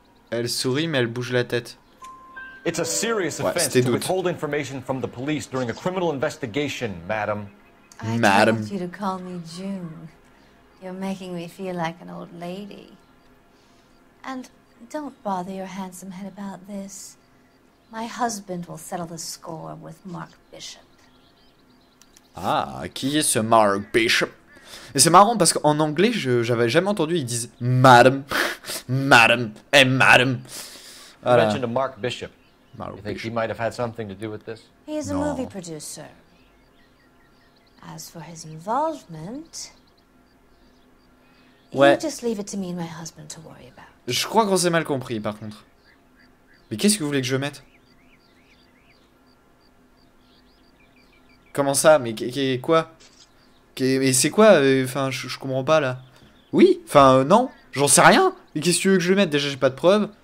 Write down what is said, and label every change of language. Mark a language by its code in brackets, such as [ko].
[fr] Elle sourit, mais elle bouge la tête. [en] It's a serious offense to withhold information from the police during a criminal investigation, madam. Madam. I told you to call me June. You're making me feel like an old lady. And don't bother your handsome head about this. My husband will settle the score with Mark Bishop. [fr] Ah, qui est ce Mark Bishop? Et c'est marrant parce qu'en anglais, j'avais jamais entendu, ils disent madam, madam, et madam. Voilà. [en] You mentioned a Mark Bishop. You think he might have had something to do with this? He is a movie producer. As for his involvement, you just leave it to me and my husband to worry about. [fr] Je crois qu'on s'est mal compris, par contre. Mais qu'est-ce que vous voulez que je mette? Comment ça? Mais quoi? Mais c'est quoi? Enfin, je comprends pas, là. Oui? Enfin, non? J'en sais rien? Mais qu'est-ce que tu veux que je mette? Déjà, j'ai pas de preuves.